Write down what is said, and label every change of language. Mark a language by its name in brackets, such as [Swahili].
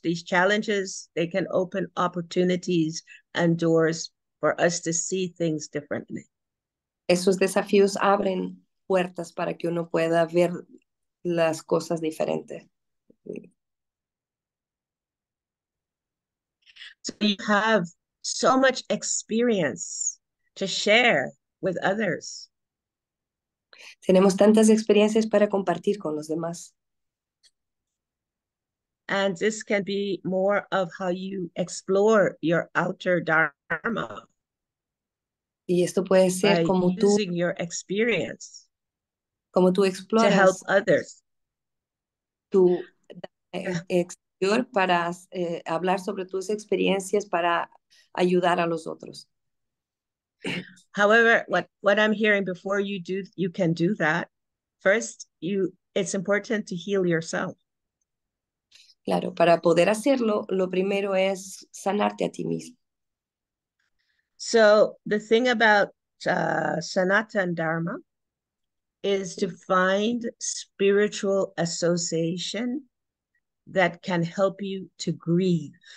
[English] These challenges, they can open opportunities and doors for us to see things differently. [Spanish] Esos desafíos abren puertas para que uno pueda ver las cosas diferentes. [English] So you have so much experience to share with others. [Spanish] Tenemos tantas experiencias para compartir con los demás. [English] And this can be more of how you explore your outer dharma. [Spanish] Y esto puede ser [English] by [Spanish] como [English] using [Spanish] tú, [English] your experience [Spanish] como tú exploras [English] to help others. [Spanish] Tu exterior para hablar sobre tus experiencias para ayudar a los otros. [English] However, what I'm hearing before you do, you can do that. First, it's important to heal yourself. [Spanish] Claro, para poder hacerlo, lo primero es sanarte a ti mismo. [English] So the thing about Sanatan Dharma is to find spiritual association that can help you to grieve.